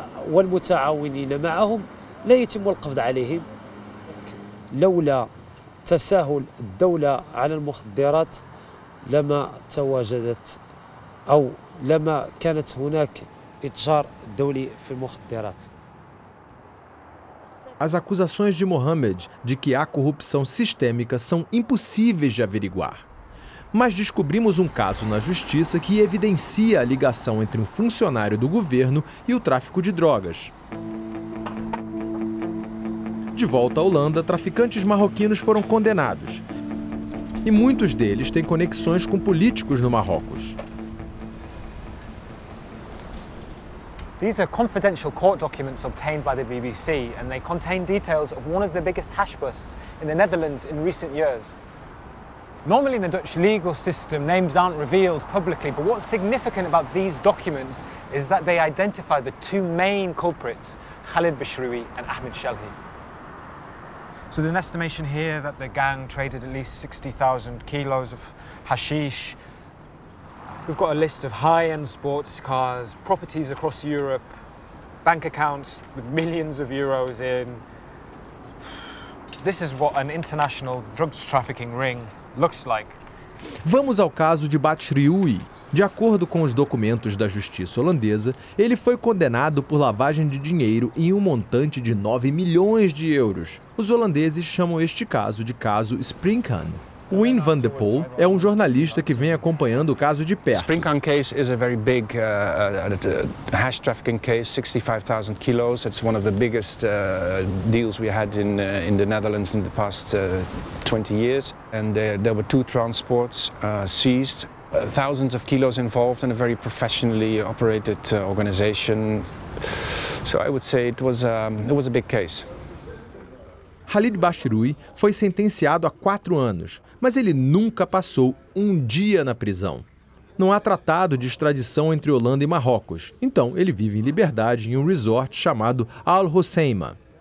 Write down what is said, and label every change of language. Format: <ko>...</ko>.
<ar>والمتعاونين معهم لا يتم القبض عليهم لولا تساهل الدولة على المخدرات لما تواجدت أو لما كانت هناك إتجار دولي في المخدرات.</ar> <pt>As acusações de Mohamed de que há corrupção sistêmica são impossíveis de averiguar. Mas descobrimos um caso na justiça que evidencia a ligação entre um funcionário do governo e o tráfico de drogas. De volta à Holanda, traficantes marroquinos foram condenados. E muitos deles têm conexões com políticos no Marrocos.</pt> <en>These are confidential court documents obtained by the BBC, and they contain details of one of the biggest hash busts in the Netherlands in recent years. Normally in the Dutch legal system, names aren't revealed publicly, but what's significant about these documents is that they identify the two main culprits, Khalid Bishroui and Ahmed Shelhi. So there's an estimation here that the gang traded at least 60,000 kilos of hashish. We've got a list of high-end sports cars, properties across Europe, bank accounts with millions of euros in. This is what an international drugs trafficking ring looks like.</en> <pt>Vamos ao caso de Bishroui. De acordo com os documentos da justiça holandesa, ele foi condenado por lavagem de dinheiro em um montante de 9 milhões de euros. Os holandeses chamam este caso de caso Sprinkhan. Wim van de Poel é um jornalista que vem acompanhando o caso de perto.</pt> <en>Sprinkhan case is a very big hash trafficking case, 65,000 kilos. It's one of the biggest deals we had in the Netherlands in the past 20 years. And there were two transports seized, thousands of kilos involved in a very professionally operated organization. So I would say it was a big case.</en> <pt>Khalid Bishroui foi sentenciado a 4 anos, mas ele nunca passou um dia na prisão. Não há tratado de extradição entre Holanda e Marrocos, então ele vive em liberdade em um resort chamado Al Hoceima.</pt>